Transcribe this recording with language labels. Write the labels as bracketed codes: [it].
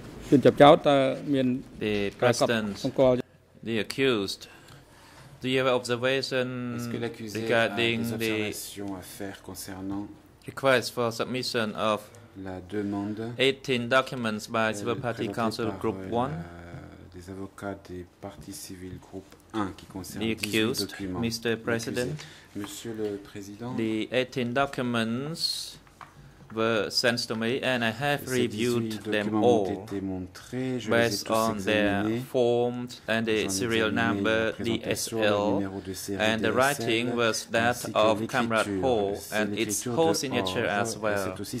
[en] The President, the accused, do you have observation regarding the request for submission of 18 documents by Civil Party Council Group 1? [fr] Les avocats des partis civils groupe 1 qui concernent [en] the accused, 18 documents. Mr. President, [fr] Monsieur le Président, [en] the 18 documents were sent to me, and I have reviewed them all based on their form and the serial number, the SL, and the writing was that of Comrade Paul and its whole signature as well.